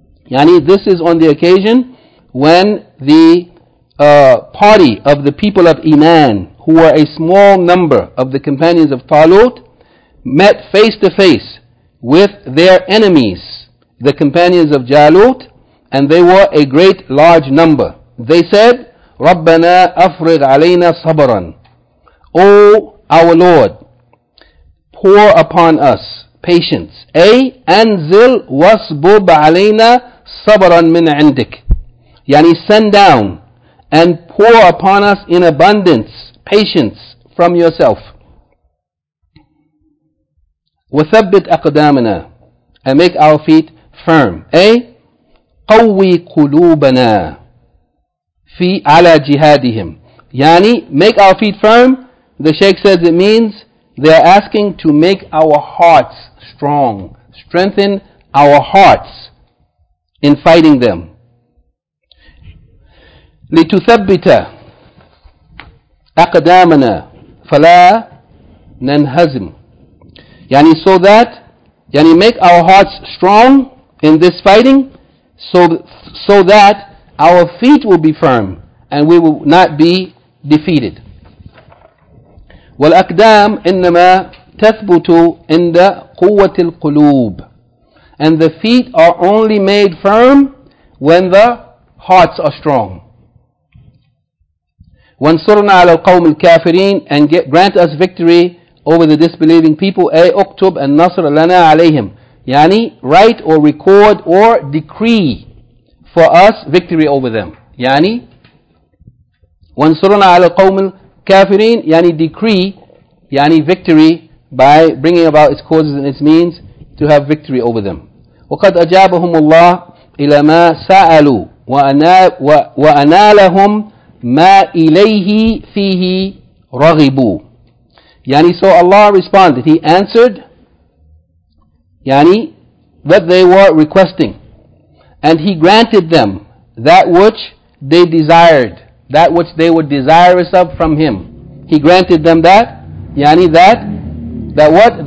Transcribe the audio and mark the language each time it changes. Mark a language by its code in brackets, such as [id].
[en] يعني this is on the occasion when the party of the people of Iman, who were a small number of the companions of Talut, met face to face with their enemies, the companions of Jalut, and they were a great large number. They said, [ar] رَبَّنَا أَفْرِغْ عَلَيْنَا صَبْرًا. [en] O our Lord, pour upon us patience. A. [ar] أَنْزِلْ وَاسْبُبْ عَلَيْنَا صَبْرًا مِنْ عِنْدِكَ. [en] Yani send down and pour upon us in abundance patience from yourself. [ar] وَثَبِّتْ أَقْدَامَنَا, [en] and make our feet firm. A. [ar] قَوِّي قُلُوبَنَا في على جهادهم. [en] Yani, make our feet firm. The Sheikh says it means they're asking to make our hearts strong. Strengthen our hearts in fighting them. [ar] لتثبت أقدامنا فلا ننهزم. [en] Yani, so that, yani, make our hearts strong in this fighting so that our feet will be firm and we will not be defeated. [ar] والأقدام إنما تثبت عند قوة القلوب. [en] And the feet are only made firm when the hearts are strong. [ar] وانصرنا على القوم الكافرين, [en] and grant us victory over the disbelieving people. [ar] أي أكتب النصر لنا عليهم. [en] يعني write or record or decree for us victory over them. Yani, [ar] وَانْصُرُنَا عَلَى الْقَوْمِ الْكَافِرِينَ, [en] yani decree, yani victory, by bringing about its causes and its means to have victory over them. [ar] وقد أجابهم الله إلى ما سألوا وأنالهم ما إليه فيه رغبوا. [en] يعني so Allah responded, He answered, يعني what they were requesting, and He granted them that which they desired, that which they were desirous of from Him. He granted them that, يعني that what?